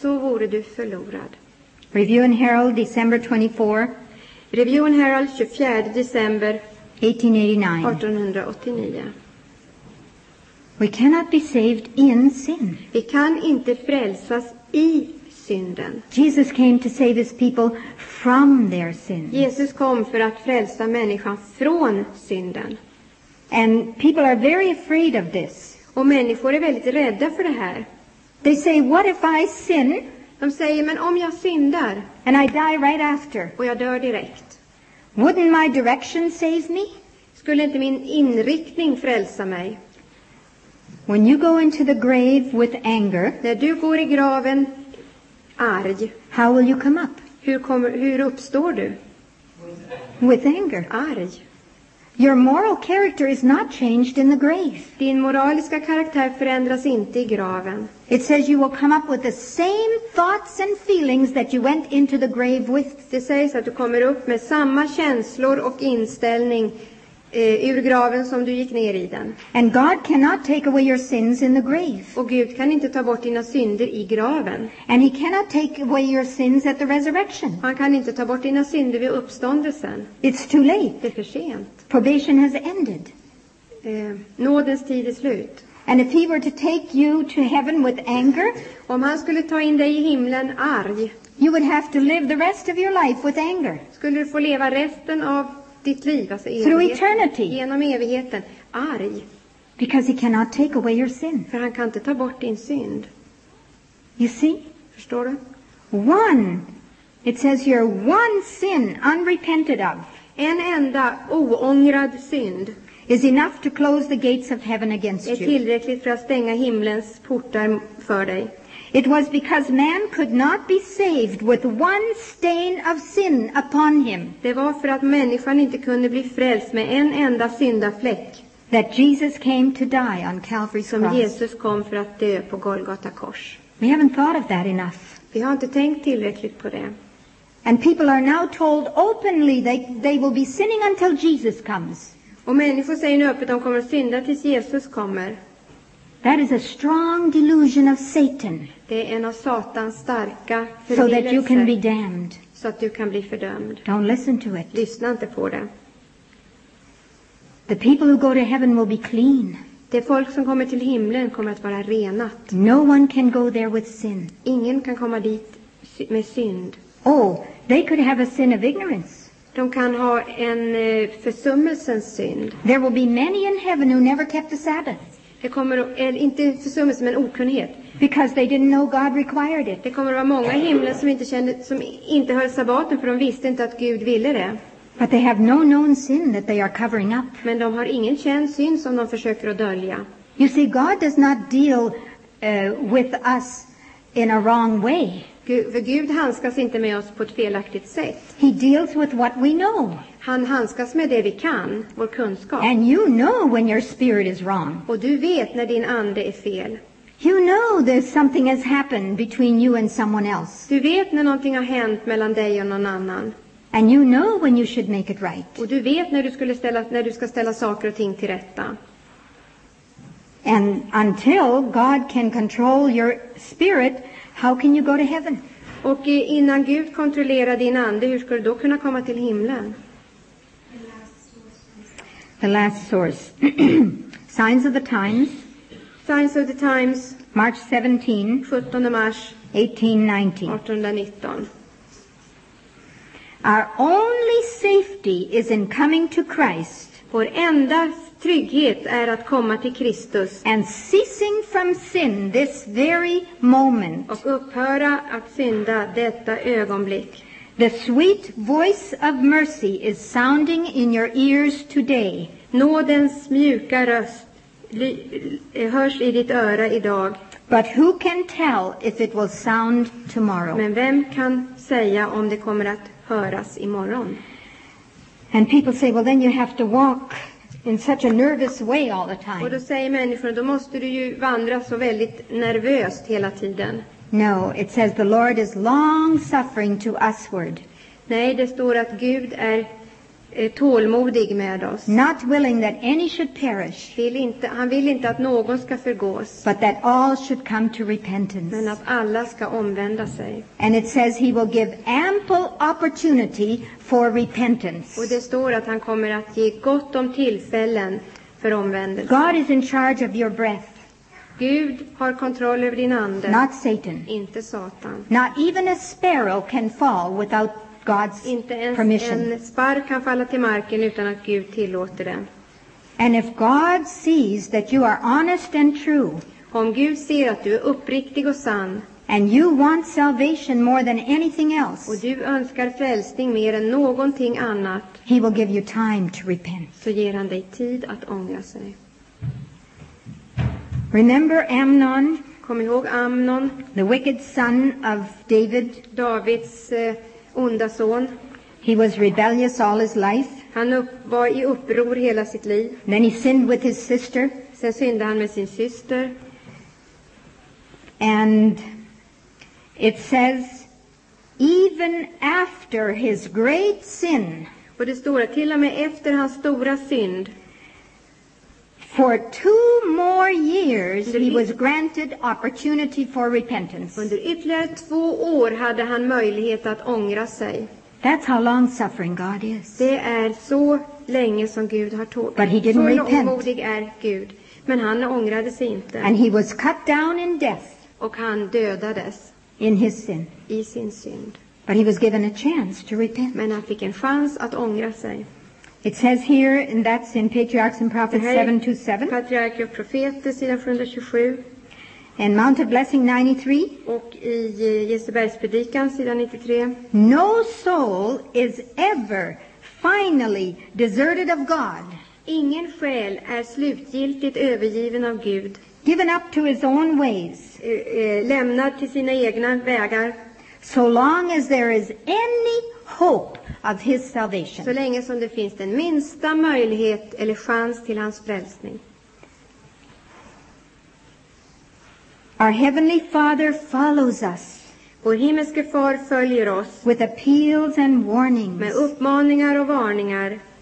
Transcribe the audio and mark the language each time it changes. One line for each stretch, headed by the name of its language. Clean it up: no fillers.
Swedish: så vore du förlorad.
English: Review and Herald, December 24.
Swedish: Review and Herald, 24 december 1889.
English: We cannot be saved in sin.
Swedish: Vi kan inte frälsas i synden.
English: Jesus came to save his people from their sins.
Swedish: Jesus kom för att frälsa människan från synden.
English: And people are very afraid of this.
Swedish: Och människor är väldigt rädda för det här.
English: They say, what if I sin?
Swedish: De säger, men om jag syndar?
English: And I die right after.
Swedish: Och jag dör direkt.
English: Wouldn't my direction save me?
Swedish: Skulle inte min inriktning frälsa mig?
English: When you go into the grave with anger,
Swedish: när du går i graven arg,
English: how will you come up?
Swedish: Hur uppstår du?
English: With anger.
Swedish: Arg.
English: Your moral character is not changed in the grave.
Swedish: Din moraliska karaktär förändras inte i graven.
English: It says you will come up with the same thoughts and feelings that you went into the grave with.
Swedish: Det sägs att du kommer upp med samma känslor och inställning ur graven som du gick ner i den.
English: And God cannot take away your sins in the grave.
Swedish: Och Gud kan inte ta bort dina synder i graven.
English: And he cannot take away your sins at the resurrection.
Swedish: Han kan inte ta bort dina synder vid uppståndelsen.
English: It's too late.
Swedish: Det är för sent.
English: Probation has ended.
Swedish: Nådens tid är slut.
English: And if he were to take you to heaven with anger,
Swedish: om han skulle ta in dig i himlen arg,
English: you would have to live the rest of your life with anger.
Swedish: Skulle du få leva resten av ditt liv, alltså evigheten,
English: through eternity,
Swedish: genom evigheten, arg,
English: because he cannot take away your sin.
Swedish: För han kan inte ta bort din synd.
English: You see?
Swedish: Förstår du?
English: One. It says your one sin unrepented of.
Swedish: En enda oångrad synd
English: is enough to close the gates of heaven against you.
Swedish: Är tillräckligt för att stänga himlens portar för dig.
English: It was because man could not be saved with one stain of sin upon him.
Swedish: Det var för att människan inte kunde bli frälst med en enda syndafläck.
English: That Jesus came to die on Calvary's
Swedish: som
English: cross.
Swedish: Jesus kom för att dö på Golgata kors.
English: We haven't thought of that enough.
Swedish: Vi har inte tänkt tillräckligt på det.
English: And people are now told openly they will be sinning until Jesus comes.
Swedish: Och människor säger nu öppet att de kommer att synda tills Jesus kommer.
English: That is a strong delusion of Satan.
Swedish: Det är en av Satans starka
English: förvirrelse. So that you can be damned.
Swedish: Så att du kan bli fördömd.
English: Don't listen to it.
Swedish: Lyssna inte på det.
English: The people who go to heaven will be clean.
Swedish: Det folk som kommer till himlen kommer att vara renat.
English: No one can go there with sin.
Swedish: Ingen kan komma dit med synd.
English: Oh, they could have a sin of ignorance.
Swedish: De kan ha en försummelsens synd.
English: There will be many in heaven who never kept the Sabbath.
Swedish: Det kommer eller inte försummelse men okunnighet.
English: Because they didn't know God required it.
Swedish: Det kommer att vara många i himlen som inte kände, som inte höll sabbaten för de visste inte att Gud ville det.
English: But they have no known sin that they are covering up.
Swedish: Men de har ingen känd synd som de försöker att dölja.
English: You see, God does not deal with us in a wrong way.
Swedish: För Gud handskas inte med oss på ett felaktigt sätt.
English: He deals with what we know.
Swedish: Han handskas med det vi kan, vår kunskap.
English: And you know when your spirit is wrong.
Swedish: Och du vet när din ande är fel.
English: You know there's something has happened between you and someone else.
Swedish: Du vet när någonting har hänt mellan dig och någon annan.
English: And you know when you should make it right.
Swedish: Och du vet när du skulle ställa, när du ska ställa saker och ting till rätta.
English: And until God can control your spirit, how can you go to heaven?
Swedish: Och innan Gud kontrollerar din ande, hur ska du då kunna komma till himlen?
English: The last source. Signs of the times. Signs of the times. March 17.
Swedish: 17 mars.
English: 1819.
Swedish: 1819.
English: Our only safety is in coming to Christ.
Swedish: Vår enda trygghet är att komma till Kristus.
English: And ceasing from sin this very moment.
Swedish: Och upphöra att synda detta ögonblick.
English: The sweet voice of mercy is sounding in your ears today.
Swedish: Nådens mjuka röst hörs i ditt öra idag.
English: But who can tell if it will sound tomorrow?
Swedish: Men vem kan säga om det kommer att höras imorgon?
English: And people say, well, then you have to walk in such a nervous way all the time.
Swedish: Och då säger människor, då måste du ju vandra så väldigt nervöst hela tiden.
English: No, it says the Lord is long suffering to usward.
Swedish: Nej, det står att Gud är tålmodig med oss.
English: Not willing that any should perish.
Swedish: Han vill inte att någon ska förgås.
English: But that all should come to repentance.
Swedish: Men att alla ska omvända sig.
English: And it says he will give ample opportunity for repentance.
Swedish: Och det står att han kommer att ge gott om tillfällen för omvändelse.
English: God is in charge of your breath.
Swedish: Gud har kontroll över din ande.
English: Not Satan.
Swedish: Inte Satan.
English: Not even a sparrow can fall without God's permission.
Swedish: Inte ens en sparv kan falla till marken utan att Gud tillåter det.
English: And if God sees that you are honest and true.
Swedish: Om Gud ser att du är uppriktig och sann.
English: And you want salvation more than anything else.
Swedish: Och du önskar frälsning mer än någonting annat.
English: He will give you time to repent.
Swedish: Så ger han dig tid att ångra sig.
English: Remember Amnon,
Swedish: kom ihåg Amnon,
English: the wicked son of David,
Swedish: Davids onda son.
English: He was rebellious all his life.
Swedish: Han var i uppror hela sitt liv.
English: Then he sinned with his sister.
Swedish: Sen syndade han med sin syster.
English: And it says, even after his great sin,
Swedish: Och det står till och med efter hans stora synd.
English: For two more years he was granted opportunity for repentance.
Swedish: Under ytterligare två år hade han möjlighet att ångra sig.
English: That's how long suffering God is.
Swedish: Det är så länge som Gud har tålt.
English: But he didn't repent.
Swedish: Så omodig är Gud. Men han ångrade sig inte.
English: And he was cut down in death.
Swedish: Och han dödades.
English: In his sin.
Swedish: I sin synd.
English: But he was given a chance to repent.
Swedish: Men han fick en chans att ångra sig.
English: It says here, and that's in Patriarchs and Prophets 7:27.
Swedish: Patriarker och profeter, sidan 127.
English: And Mount of Blessing 93.
Swedish: Och i Jesubergspredikan, sidan 93.
English: No soul is ever finally deserted of God.
Swedish: Ingen själ är slutgiltigt övergiven av Gud.
English: Given up to his own ways.
Swedish: Lämnad till sina egna vägar.
English: So long as there is any hope of his salvation.
Swedish: Så länge som det finns den minsta möjlighet eller chans till hans frälsning.
English: Our heavenly Father follows us.
Swedish: Vår himmelske far följer oss.
English: With appeals and warnings.
Swedish: Med uppmaningar och varningar.